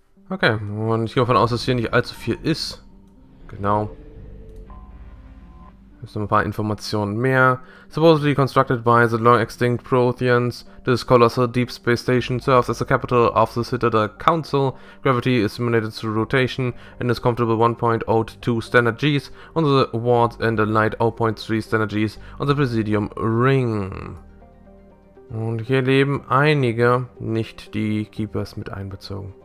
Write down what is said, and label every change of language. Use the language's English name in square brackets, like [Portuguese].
[German] Okay, und ich gehe davon aus, dass hier nicht allzu viel ist. Genau. Hier sind ein paar Informationen mehr. [English] Supposedly constructed by the long extinct Protheans, this colossal deep space station serves as the capital of the Citadel Council. Gravity is simulated through rotation and is comfortable 1.02 standard Gs on the wards and a light 0.3 standard Gs on the Presidium Ring. [German] Und hier leben einige, nicht die Keepers mit einbezogen.